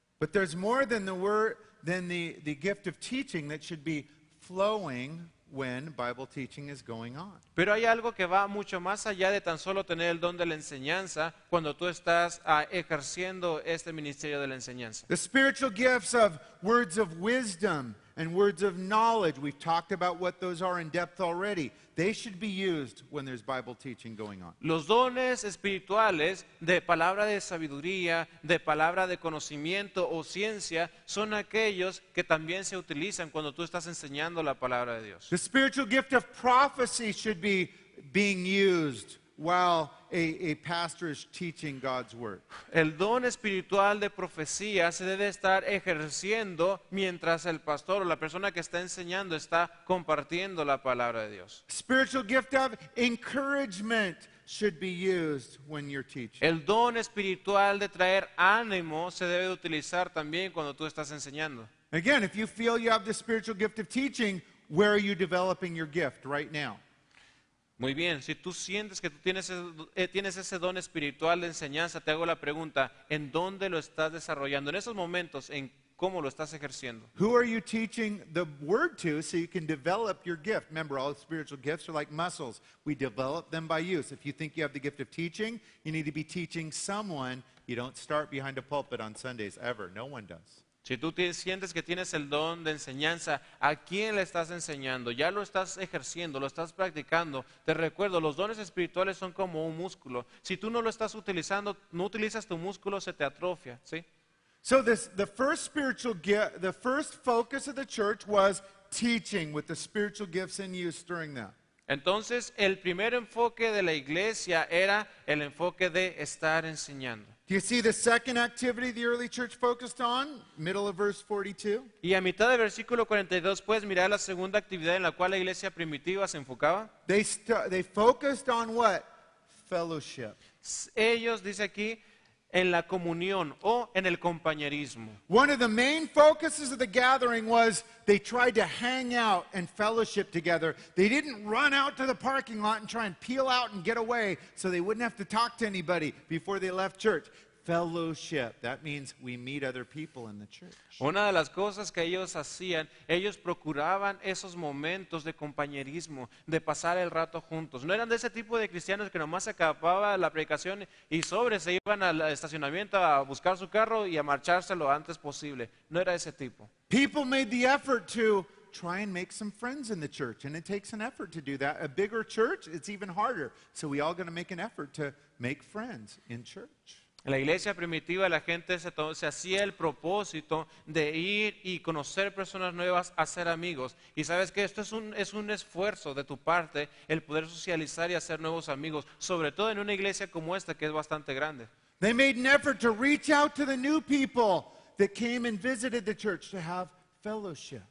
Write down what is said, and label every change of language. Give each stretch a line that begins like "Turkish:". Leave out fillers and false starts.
English: But there's more than the word, than the gift of teaching that should be flowing when Bible teaching is going on.
Spanish: Pero hay algo que va mucho más allá de tan solo tener el don de la enseñanza cuando tú estás ejerciendo este ministerio de la enseñanza.
English: The spiritual gifts of words of wisdom and words of knowledge, we've talked about what those are in depth already. They should be used when there's Bible teaching going on.
Spanish: Los dones espirituales de palabra de sabiduría, de palabra de conocimiento o ciencia son aquellos que también se utilizan cuando tú estás enseñando la palabra de Dios.
English: The spiritual gift of prophecy should be being used while a pastor is teaching God's word.
Spanish: El don espiritual de profecía se debe estar ejerciendo mientras el pastor o la persona que está enseñando está compartiendo la palabra de Dios.
English: Spiritual gift of encouragement should be used when you're teaching.
Spanish: El don espiritual de traer ánimo se debe utilizar también cuando tú estás enseñando.
English: Again, if you feel you have the spiritual gift of teaching, where are you developing your gift right now?
Spanish: Muy bien, si tú sientes que tú tienes ese don espiritual de enseñanza, te hago la pregunta, ¿en dónde lo estás desarrollando? En esos momentos, ¿en cómo lo estás ejerciendo?
English: Who are you teaching the word to so you can develop your gift? Remember, all spiritual gifts are like muscles. We develop them by use. If you think you have the gift of teaching, you need to be teaching someone. You don't start behind a pulpit on Sundays ever. No one does.
Spanish: Si tú sientes que tienes el don de enseñanza, ¿a quién le estás enseñando? Ya lo estás ejerciendo, lo estás practicando. Te recuerdo, los dones espirituales son como un músculo. Si tú no lo estás utilizando, no utilizas tu músculo, se te atrofia, ¿sí?
English: So this, the first spiritual gift, the first focus of the church was teaching with the spiritual gifts in use during that.
Spanish: Entonces, el primer enfoque de la iglesia era el enfoque de estar enseñando.
English: Do you see the second activity the early church focused on? Middle of verse 42.
Spanish: Y a mitad del versículo 42 puedes mirar la segunda actividad en la cual la iglesia primitiva se enfocaba.
English: They focused on what? Fellowship.
Spanish: Ellos dice aquí en la comunión o en el compañerismo.
English: One of the main focuses of the gathering was they tried to hang out and fellowship together. They didn't run out to the parking lot and try and peel out and get away so they wouldn't have to talk to anybody before they left church. Fellowship, that means we meet other people in the church.
Spanish: Una de las cosas que ellos hacían, ellos procuraban esos momentos de compañerismo, de pasar el rato juntos. No eran de ese tipo de cristianos que nomás se acababa la predicación y sobre se iban al estacionamiento a buscar su carro y a marcharse lo antes posible. No era ese tipo.
English: People made the effort to try and make some friends in the church, and it takes an effort to do that. A bigger church, it's even harder. So we all got to make an effort to make friends in church.
Spanish: En la iglesia primitiva la gente se hacía el propósito de ir y conocer personas nuevas, hacer amigos. Y sabes que esto es un esfuerzo de tu parte, el poder socializar y hacer nuevos amigos, sobre todo en una iglesia como esta que es bastante grande.
English: They made an effort to reach out to the new people that came and visited the church to have fellowship.